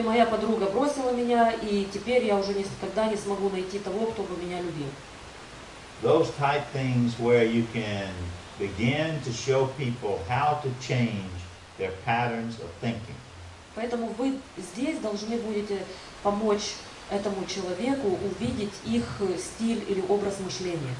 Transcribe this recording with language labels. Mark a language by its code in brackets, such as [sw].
[ru] моя подруга бросила меня, и теперь я уже никогда не смогу найти того, кто бы меня любил. [en] Those type things where you can begin to show people how to change their patterns of thinking. [ru] Поэтому вы здесь должны будете помочь этому человеку увидеть их стиль или образ мышления.